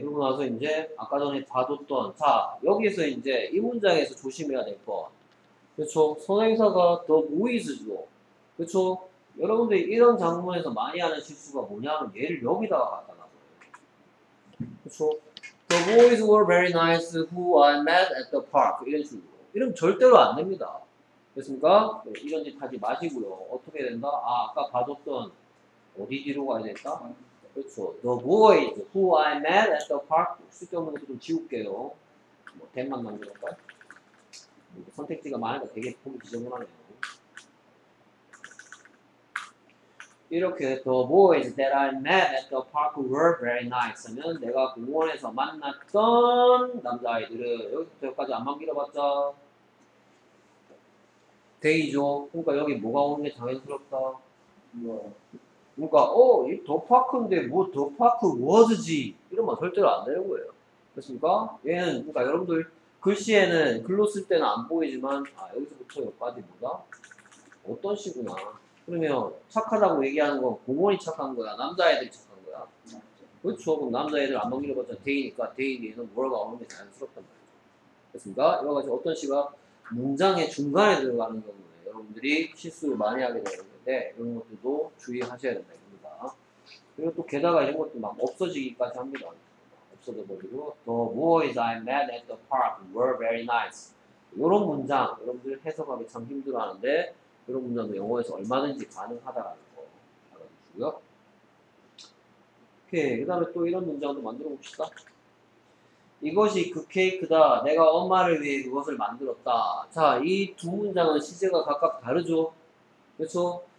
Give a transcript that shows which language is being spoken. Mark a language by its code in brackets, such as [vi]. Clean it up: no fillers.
[ko] 그러고 나서 이제 아까 전에 봐뒀던 자 여기서 이제 이 문장에서 조심해야 될 거. 그렇죠? 선행사가 더 무이즈죠. 그렇죠? 여러분들 이런 장문에서 많이 하는 실수가 뭐냐면 얘를 여기다가 갖다 놔버려요. 그렇죠? [en] The boys were very nice who I met at the park. [ko] 이런 식으로. 이러면 절대로 안 됩니다. 됐습니까? 네, 이런 짓 하지 마시고요. 어떻게 된다? 아, 아까 봐줬던 어디 뒤로 가야 됐다? 그렇죠. [en] The boys who I met at the park. [ko] 쓸데없는 것도 좀 지울게요. 뭐, 댓만 남겨볼까? 선택지가 많으니까 되게 보기 지저분하네요. 이렇게 [en] the boys that I met at the park were very nice [ko] 하면 내가 공원에서 만났던 남자아이들은 여기까지 안만 길어봤자 데이죠. 그러니까 여기 뭐가 오는 게 자연스럽다. 그러니까 이 더 파크인데 뭐 더 파크 워즈지 이러면 절대로 안 되는 거예요. 그렇습니까? 얘는 그러니까 여러분들 글씨에는 글로 쓸 때는 안 보이지만 아 여기서부터 여기까지 뭐다? 어떤 시구나. 그러면 착하다고 얘기하는 건 공원이 착한 거야? 남자애들이 착한 거야? 그렇죠. 그럼 남자애들 안 먹이려봤자 데이니까 데이 뒤에는 뭐라고 나오는 게 자연스럽단 말이죠. 됐습니까? 여러 가지 어떤 시가 문장의 중간에 들어가는 경우에 여러분들이 실수를 많이 하게 되는데 이런 것들도 주의하셔야 된다 이겁니다. 그리고 또 게다가 이런 것도 막 없어지기까지 합니다. 없어져 버리고 [en] The boys I met at the park were very nice. [ko] 이런 문장 여러분들 해석하기 참 힘들어하는데 이런 문장도 영어에서 얼마든지 가능하다라는 거 알아주시고요. 오케이. 그 다음에 또 이런 문장도 만들어 봅시다. 이것이 그 케이크다. 내가 엄마를 위해 그것을 만들었다. 자, 이 두 문장은 시제가 각각 다르죠. 그렇죠?